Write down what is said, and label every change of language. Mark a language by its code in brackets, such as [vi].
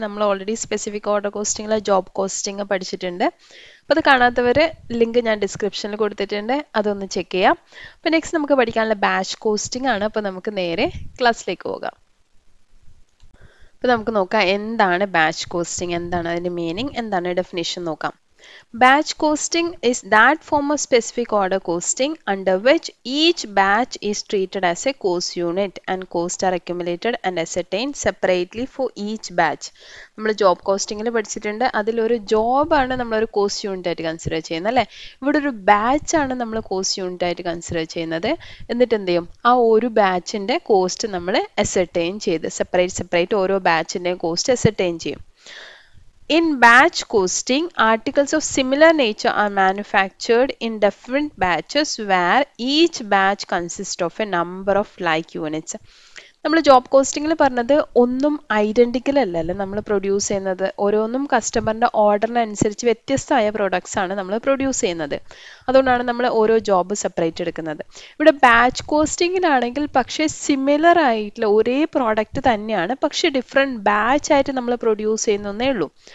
[ml] നമ്മൾ already specific order കോസ്റ്റിങ്ങിലെ job costing പഠിച്ചിട്ടുണ്ട്. അപ്പോൾ അത് കാണാത്തവർ ലിങ്ക് ഞാൻ ഡിസ്ക്രിപ്ഷനിൽ കൊടുത്തിട്ടുണ്ട്, അതൊന്ന് ചെക്ക് ചെയ്യാം. അപ്പോൾ നെക്സ്റ്റ് നമുക്ക് പഠിക്കാനുള്ള ബാച്ച് കോസ്റ്റിംഗ് ആണ്. അപ്പോൾ നമുക്ക് നേരെ ക്ലാസ്സിലേക്ക് പോകാം. അപ്പോൾ നമുക്ക് നോക്കാം എന്താണ് ബാച്ച് കോസ്റ്റിംഗ്, എന്താണ് അതിൻ്റെ മീനിങ്, എന്താണ് ഡെഫിനേഷൻ നോക്കാം. [en] Batch costing is that form of specific order costing under which each batch is treated as a cost unit and costs are accumulated and ascertained separately for each batch. [ml] നമ്മൾ job കോസ്റ്റിങ്ങിൽ പഠിച്ചിട്ടുണ്ട്, അതിലൊരു ജോബാണ് നമ്മൾ ഒരു cost യൂണിറ്റായിട്ട് consider ചെയ്യുന്നത് അല്ലേ. ഇവിടെ ഒരു ബാച്ചാണ് നമ്മൾ കോസ്റ്റ് യൂണിറ്റായിട്ട് കൺസിഡർ ചെയ്യുന്നത്. എന്നിട്ട് എന്ത് ചെയ്യും, ആ ഒരു ബാച്ചിൻ്റെ കോസ്റ്റ് നമ്മൾ അസർട്ടെയിൻ ചെയ്ത് സെപ്പറേറ്റ് സെപ്പറേറ്റ് ഓരോ ബാച്ചിൻ്റെയും കോസ്റ്റ് അസർട്ടെയിൻ ചെയ്യും. [en] In batch costing, articles of similar nature are manufactured in different batches where each batch consists of a number of like units. [ml] നമ്മൾ ജോബ് കോസ്റ്റിങ്ങിൽ പറഞ്ഞത് ഒന്നും ഐഡൻറ്റിക്കൽ അല്ലല്ലോ നമ്മൾ പ്രൊഡ്യൂസ് ചെയ്യുന്നത്. ഓരോന്നും കസ്റ്റമറിൻ്റെ ഓർഡറിനനുസരിച്ച് വ്യത്യസ്തമായ പ്രൊഡക്ട്സ് ആണ് നമ്മൾ പ്രൊഡ്യൂസ് ചെയ്യുന്നത്. അതുകൊണ്ടാണ് നമ്മൾ ഓരോ ജോബ് സെപ്പറേറ്റ് എടുക്കുന്നത്. ഇവിടെ ബാച്ച് കോസ്റ്റിങ്ങിലാണെങ്കിൽ പക്ഷേ സിമിലർ ആയിട്ടുള്ള ഒരേ പ്രോഡക്റ്റ് തന്നെയാണ്, പക്ഷേ ഡിഫറെൻ്റ് ബാച്ച് ആയിട്ട് നമ്മൾ പ്രൊഡ്യൂസ് ചെയ്യുന്നേ ഉള്ളൂ.